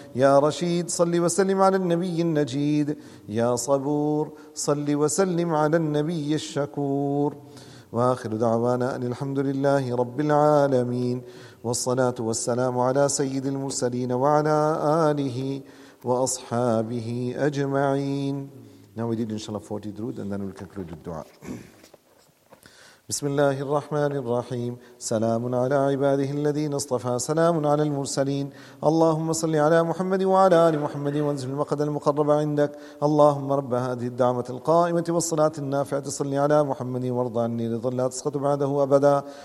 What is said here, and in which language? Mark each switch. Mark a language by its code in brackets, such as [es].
[ar] يا رشيد صلي وسلم على النبي النجيد يا صبور صلي وسلم على النبي الشكور وآخر دعوانا أن الحمد لله رب العالمين والصلاة والسلام على سيد المرسلين وعلى آله وأصحابه أجمعين. [en] Now we did inshallah 40 درود and then we'll conclude الدعاء. [ar] بسم الله الرحمن الرحيم سلام على عباده الذين اصطفى سلام على المرسلين اللهم صل على محمد وعلى آل محمد وانزل المقد المقرب عندك اللهم رب هذه الدعمة القائمة والصلاة النافعة صل على محمد وارض عني رضا لا تسقط بعده أبدا